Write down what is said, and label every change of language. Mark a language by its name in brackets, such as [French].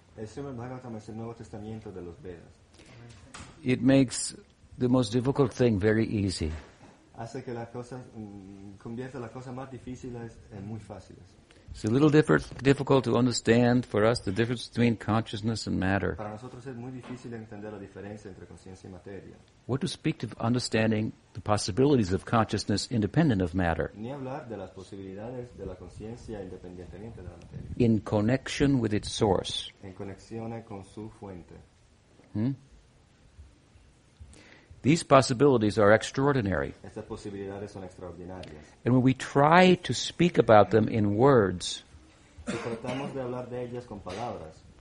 [Spanish] Srimad Bhagavatam es el Nuevo Testamento de los Vedas. [English] It makes the most difficult thing very easy. [Spanish] Hace que convierte las cosas más difíciles en muy fáciles. [English] It's a little difficult to understand for us the difference between consciousness and matter. [Spanish] Para nosotros es muy difícil entender la diferencia entre conciencia y materia. [English] What to speak of understanding the possibilities of consciousness independent of matter? [Spanish] Ni hablar de las posibilidades de la conciencia independientemente de la materia. [English] In connection with its source. [Spanish] En conexión con su fuente. [English] These possibilities are extraordinary. [Spanish] Estas posibilidades son extraordinarias. [English] And when we try to speak about them in words, [Spanish] si tratamos de hablar de ellas con palabras,